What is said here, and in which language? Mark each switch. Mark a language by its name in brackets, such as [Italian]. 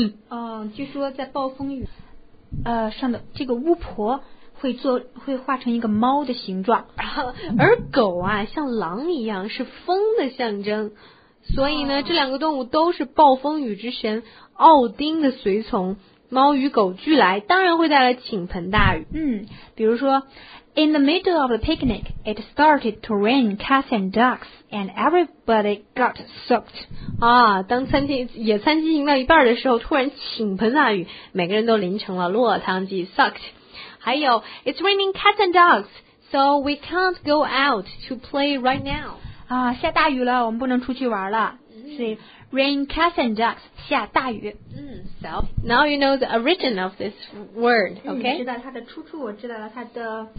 [Chinese] 嗯，据说在暴风雨上的这个巫婆会化成一个猫的形状，而狗啊像狼一样是风的象征，所以呢、这两个动物都是暴风雨之神奥丁的随从。猫与狗俱来，当然会带来倾盆大雨。嗯，比如说 [English] ，In the middle of the picnic, it started to rain cats and dogs, and everybody got soaked. [Chinese] 啊，当餐厅野餐进行到一半的时候，突然倾盆大雨，每个人都淋成了落汤鸡 ，soaked。还有 [English] ，It's raining cats and dogs, so we can't go out to play right now. [Chinese] 啊，下大雨了，我们不能出去玩了。是 rain cats and dogs 下大雨。 [English] 嗯 ，so now you know the origin of this word. OK， [Chinese] 知道它的出处，我知道了它的